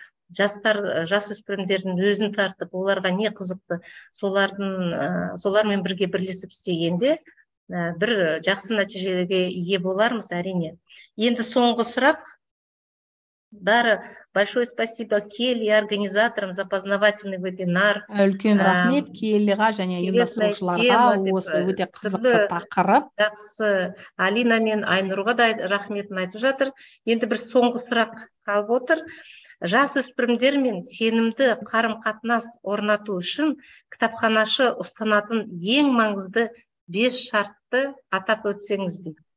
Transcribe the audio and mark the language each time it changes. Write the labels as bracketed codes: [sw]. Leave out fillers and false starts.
[kk] Жастар, жас өспірімдердің өзін тартып, оларға не қызықты, солармен бірге бірлесіп істегенде бір жақсы нәтижеге ие болармыз әрине. Енді соңғы сұрақ. Бәрі, [ru] большое спасибо Келли организаторам за познавательный вебинар. [kk] Үлкен рахмет Келлиға және ұйымдастырушыларға осы өте қызықты тақырып. Жақсы, Алина мен Айнұрға да рахметін айтып жатыр. Енді бір соңғы сұрақ қалып отыр. Жас өспірімдер мен сенімді қарым-қатынас орнату үшін кітапханашы ұстанатын ең маңызды 5 шартты атап өтсеңіз дейді.